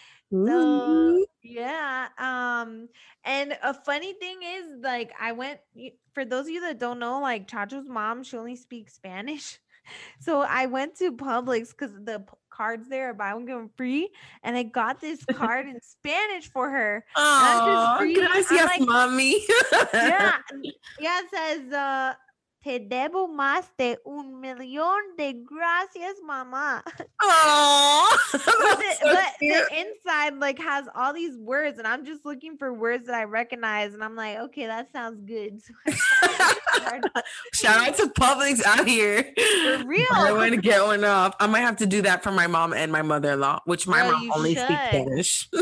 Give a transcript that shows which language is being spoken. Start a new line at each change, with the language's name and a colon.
English: So yeah, and a funny thing is, like, I went, for those of you that don't know, like, Chacho's mom, she only speaks Spanish, so I went to Publix because the cards there are buy one get one free, and I got this card in Spanish for her. Oh,
Spanish: gracias,
English: like, mommy. yeah it says
Spanish: te debo más de un millón de gracias, mamá.
English: But the inside like has all these words, and I'm just looking for words that I recognize, and I'm like, okay, that sounds good. Shout out to Publix out here. For real. I want to get one off. I might have to do that for my mom and my mother-in-law, which my mom only speaks Spanish.